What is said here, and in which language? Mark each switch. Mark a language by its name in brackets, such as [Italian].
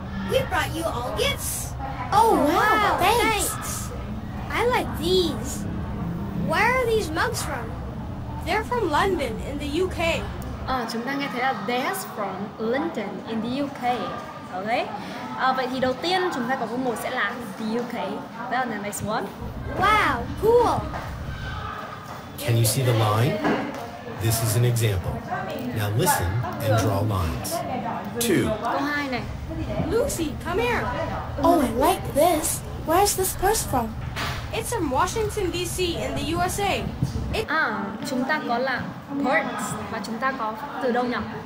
[English] We brought you all gifts. Oh, wow. Thanks. I like these. Where are these mugs from? They're from London in the UK. [Vietnamese] Chúng ta nghe thấy là [English] they're from London in the UK. Okay. [Vietnamese] Vậy thì đầu tiên chúng ta có câu 1 sẽ là [English] the UK. That's the next one. Wow, cool. Can you see the line? This is an example. Now listen and draw lines. 2. [Vietnamese] Câu 2 này. [English] Lucy, come here. Oh, I like this. Where's this purse from? It's from Washington DC in the USA. [Vietnamese] Chúng ta có là purse và chúng ta có từ đâu nhỉ?